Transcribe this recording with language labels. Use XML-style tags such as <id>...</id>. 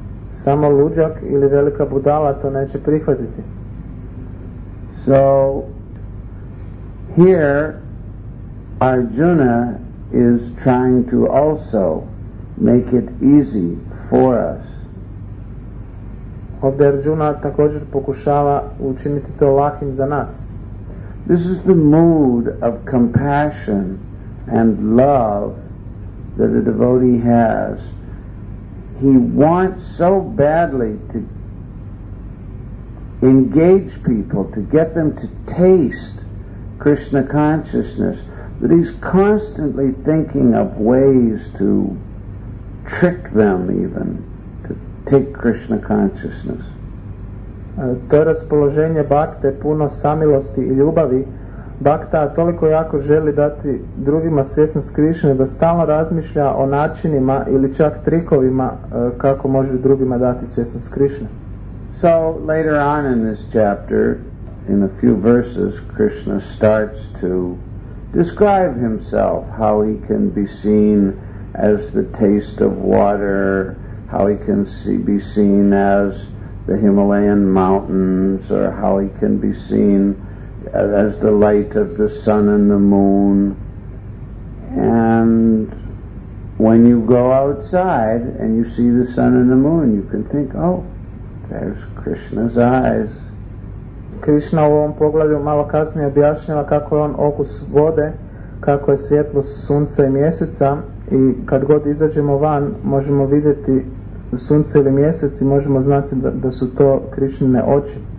<hr>Samo luđak ili velika budala to neće prihvatiti.</hr> <en>So here Arjuna is trying to also make it easy for us.</en> <hr>Ovdje Arjuna također pokušava učiniti to lakim za nas.</hr> <en>This is the mood of compassion and love that a devotee has. He wants so badly to engage people, to get them to taste Krishna consciousness, that he's constantly thinking of ways to trick them even, to take Krishna consciousness.</en> <hr>To raspoloženje bhakte puno samilosti i ljubavi. Bhakta toliko jako želi dati drugima svjesnost Krišne da stalno razmišlja o načinima ili čak trikovima kako može drugima dati svjesnost Krišne.</hr> <en>So later on in this chapter in a few verses, Krishna starts to describe himself, how he can be seen as the taste of water, how he can be seen as the Himalayan mountains, or how he can be seen as the light of the sun and the moon. And when you go outside and you see the sun and the moon, you can think, oh, there's Krishna's eyes.</en> <hr>Krishna u ovom poglavlju malo kasnije objašnjava kako je on okus vode, kako je svjetlo sunca i mjeseca, i kad god izađemo van možemo vidjeti sunce ili mjesec i možemo znati da su to Krishnine oči.</hr>